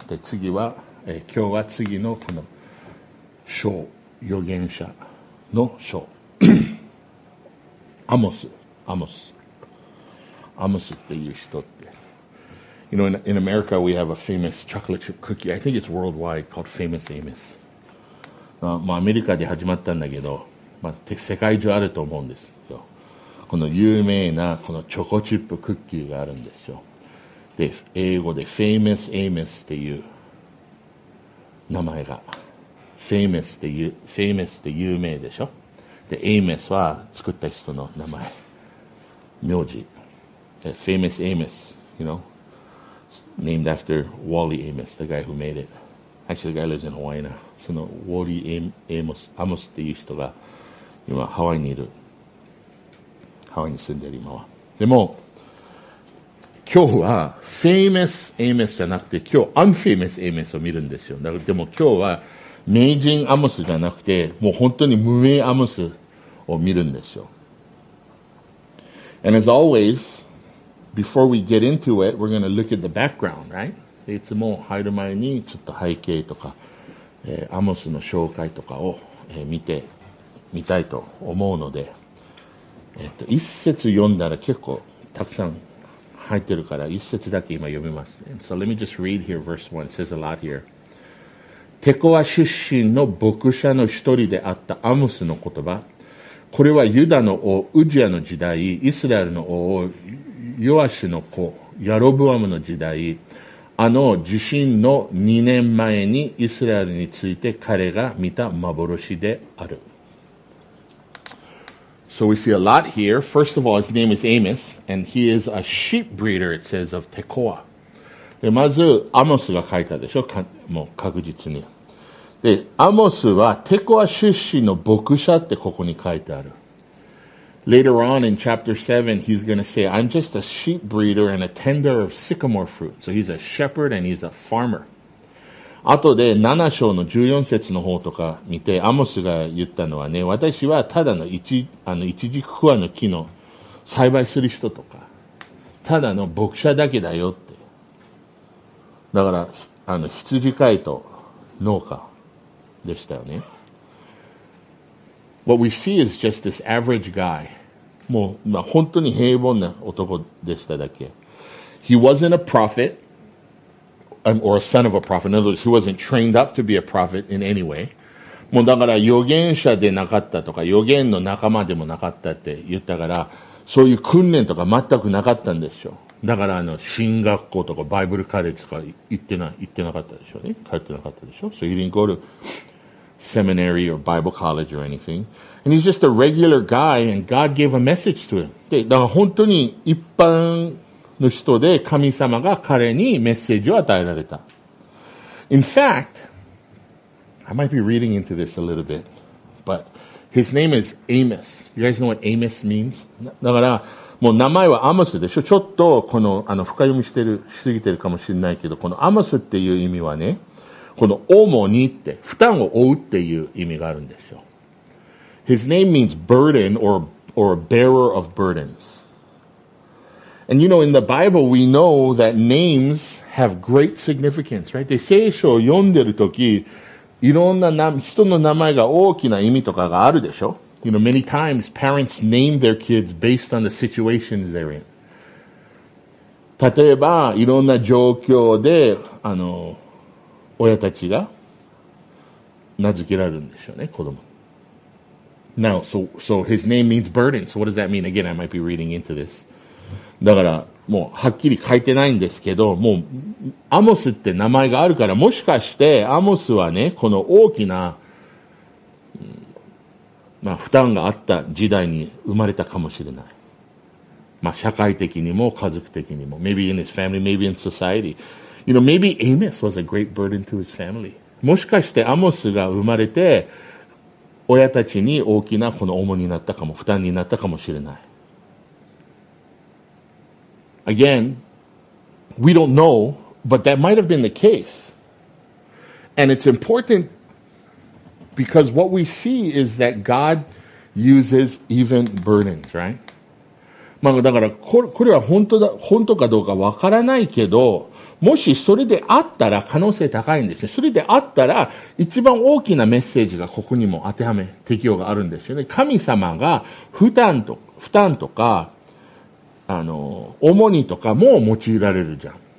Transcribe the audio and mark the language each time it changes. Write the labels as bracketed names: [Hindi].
[Japanese] で、次は、今日は次のこの章、預言者の章。アモス。アモスっていう人って。 [English] You know, in America we have a famous chocolate chip cookie. I think it's worldwide called Famous Amos. [Japanese] まあ、アメリカで始まったんだけど、まあ、世界中あると思うんですよ。この有名なこのチョコチップクッキーがあるんですよ。で、英語で Famous Amos っていう名前が Famous って有名でしょ。で、Amos は作った人の名前、名字。 [English] Famous Amos, you know, named after Wally Amos, the guy who made it. Actually, the guy lives in Hawaii now. [Japanese] そのウォーリー・アモスっていう人が今ハワイにいる。ハワイに住んでる今は。でも、今日は、Famous Amos じゃなくて、今日、Unfamous Amos を見るんですよ。だから、でも今日は、名人アモスじゃなくて、もう本当に無名アモスを見るんですよ。 [English] And as always, before we get into it, we're gonna look at the background, right? [Japanese] いつも入る前に、ちょっと背景とか、アモスの紹介とかを、見てみたいと思うので、一節読んだら結構たくさん入ってるから一節だけ今読みますね。 [English] So let me just read here verse 1. It says a lot here. [Japanese] テコア出身の牧者の一人であったアモスの言葉。これはユダの王ウジアの時代、イスラエルの王ヨアシの子ヤロブアムの時代、あの地震の2年前にイスラエルについて彼が見た幻である。 [English] So we see a lot here. First of all, his name is Amos, and he is a sheep breeder, it says, of Tekoa. [Japanese] で、まず、アモスが書いたでしょ、もう確実に。で、アモスはテコア出身の牧者ってここに書いてある。 [English] Later on in chapter 7, he's going to say, I'm just a sheep breeder and a tender of sycamore fruit. So he's a shepherd and he's a farmer. [Japanese] あとで7章の14節の方とか見て、アモスが言ったのはね、私はただの一軸クワの木の栽培する人とか、ただの牧者だけだよって。だから、羊飼いと農家でしたよね。 [English] What we see is just this average guy. [Japanese] もう、まあ、本当に平凡な男でしただけ。 [English] He wasn't a prophet. Or a son of a prophet. In other words, he wasn't trained up to be a prophet in any way. [Japanese] もうだから預言者でなかったとか、預言の仲間でもなかったって言ったから、そういう訓練とか全くなかったんでしょう。だから神学校とかバイブルカレッジとか行ってなかったでしょうね。通ってなかったでしょう。 [English] So he didn't go to seminary or Bible college or anything. And he's just a regular guy and God gave a message to him. [Japanese] で、だから本当に一般、の人で神様が彼にメッセージを与えられた。 [English] In fact, I might be reading into this a little bit, but his name is Amos. You guys know what Amos means? [Japanese] だから、もう名前はアモスでしょ。ちょっと、この、深読みしてる、しすぎてるかもしれないけど、このアモスっていう意味はね、この主にって、負担を負うっていう意味があるんでしょ。 [English] His name means burden or bearer of burdens. And you know, in the Bible, we know that names have great significance, right? [Japanese] で、聖書を読んでるとき、いろんな人の名前が大きな意味とかがあるでしょ? [English] You know, many times parents name their kids based on the situations they're in. [Japanese] 例えば、いろんな状況で、親たちが名付けられるんでしょうね、子供。 [English] Now, so his name means burden. So what does that mean? Again, I might be reading into this. [Japanese] だから、もう、はっきり書いてないんですけど、もう、アモスって名前があるから、もしかして、アモスはね、この大きな、まあ、負担があった時代に生まれたかもしれない。まあ、社会的にも、家族的にも。 [English] Maybe in his family, maybe in society. You know, maybe Amos was a great burden to his family. [Japanese] もしかして、アモスが生まれて、親たちに大きな、この重荷になったかも、負担になったかもしれない。 [English] Again, we don't know, but that might have been the case. And it's important because what we see is that God uses even burdens, right? [Japanese] まあ、だからこれは本当かどうかわからないけど、もしそれであったら可能性高いんですね。それであったら一番大きなメッセージがここにも当てはめ適用があるんですよね。神様が負担とか、重荷とかも用いられるじゃん。